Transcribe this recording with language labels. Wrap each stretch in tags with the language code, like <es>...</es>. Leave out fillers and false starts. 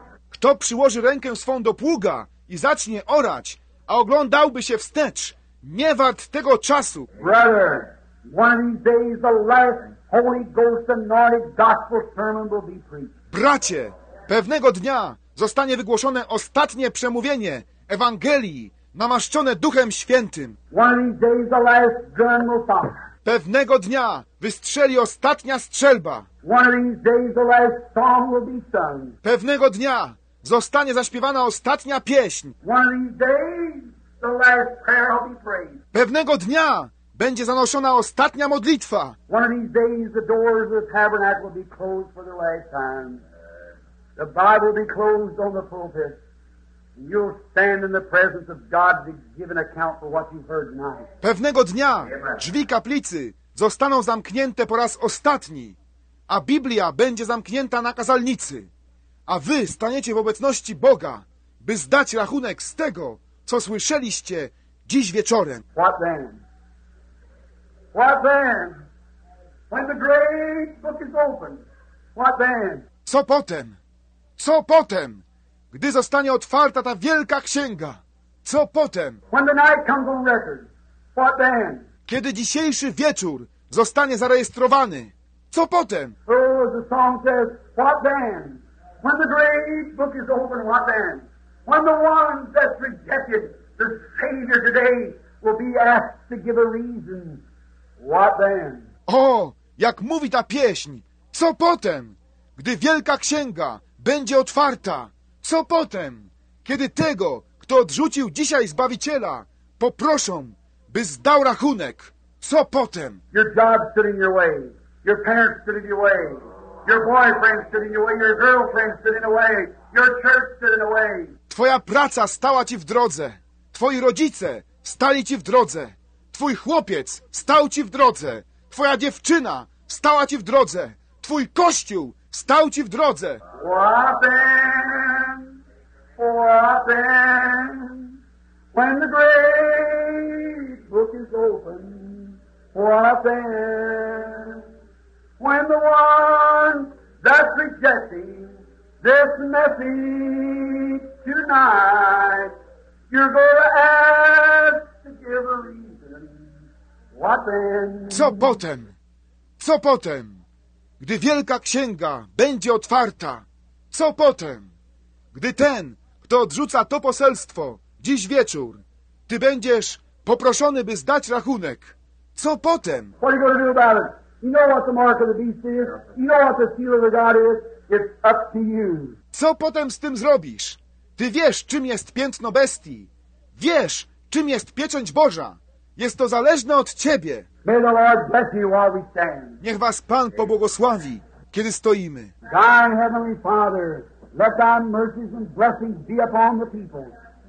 <pl>Kto przyłoży rękę swą do pługa i zacznie orać, a oglądałby się wstecz, nie wart tego czasu.</pl> <en>Brother, one of these days the last Holy Ghost anointed gospel sermon will be preached.</en> <pl>Bracie, pewnego dnia zostanie wygłoszone ostatnie przemówienie Ewangelii, namaszczone Duchem Świętym.</pl> <en>One of these days the last gun will fire.</en> <pl>Pewnego dnia wystrzeli ostatnia strzelba.</pl> <en>One of these days the last song will be sung.</en> <pl>Pewnego dnia zostanie zaśpiewana ostatnia pieśń.</pl> <en>One of these days the last prayer will be prayed.</en> <pl>Pewnego dnia będzie zanoszona ostatnia modlitwa.</pl> <en>One of these days the doors of the tabernacle will be closed for the last time. The Bible will be closed on the pulpit. You'll stand in the presence of God to give an account for what you've heard tonight.</en> <pl>Pewnego dnia drzwi kaplicy zostaną zamknięte po raz ostatni, a Biblia będzie zamknięta na kazalnicy, a wy staniecie w obecności Boga, by zdać rachunek z tego, co słyszeliście dziś wieczorem.</pl> <en>What then? What then? When the great book is opened, what then?</en> <pl>Co potem? Co potem? Gdy zostanie otwarta ta wielka księga, co potem?</pl> <en>When the night comes on record, what then?</en> <pl>Kiedy dzisiejszy wieczór zostanie zarejestrowany, co potem?</pl> <en>Oh, as the song says, what then? When the great book is open, what then? When the one that's rejected the Savior today will be asked to give a reason, what then?</en> <pl>O, jak mówi ta pieśń, co potem? Gdy wielka księga będzie otwarta, co potem? Kiedy tego, kto odrzucił dzisiaj Zbawiciela, poproszą, by zdał rachunek, co potem?</pl> <en>Your job stood in your way. Your parents stood in your way. Your boyfriend stood in your way. Your girlfriend stood in your way. Your church stood in your way.</en> <pl>Twoja praca stała ci w drodze. Twoi rodzice stali ci w drodze. Twój chłopiec stał ci w drodze. Twoja dziewczyna stała ci w drodze. Twój kościół stał ci w drodze.</pl> <en>What then? What then? When the great book is open, what then? When the one that's rejecting this message tonight, you're going to ask to give a reason, what then?</en> <pl>Co potem? Co potem? Gdy wielka księga będzie otwarta, co potem? Gdy ten, kto odrzuca to poselstwo, dziś wieczór, ty będziesz poproszony, by zdać rachunek, co potem?</pl> <en>What are you going to do about it? You know what the mark of the beast is. You know what the seal of the God is. It's up to you.</en> <pl>Co potem z tym zrobisz? Ty wiesz, czym jest piętno bestii. Wiesz, czym jest pieczęć Boża. Jest to zależne od ciebie.</pl> <en>May the Lord bless you while we stand.</en> <pl>Niech was Pan pobłogosławi, kiedy stoimy.</pl> <en>Thy heavenly Father, let thy mercies and blessings be upon the people.</en>